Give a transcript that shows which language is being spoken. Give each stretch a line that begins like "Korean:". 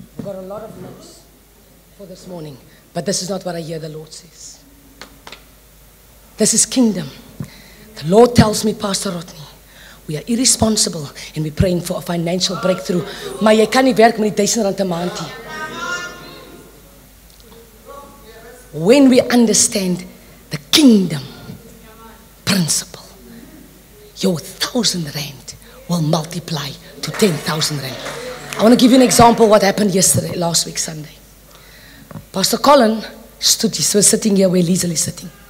English: We got a lot of notes for this morning. But this is not what I hear the Lord says. This is kingdom. The Lord tells me, Pastor Rodney, we are irresponsible and we're praying for a financial breakthrough.
Afrikaans: Maar jy kan nie werk met die R1000 'n maand nie.
English: When we understand the kingdom principle, your R1000 will multiply to R10,000. I want to give you an example of what happened yesterday, last week, Sunday. Pastor Colin stood, he was sitting here where Liesel is sitting.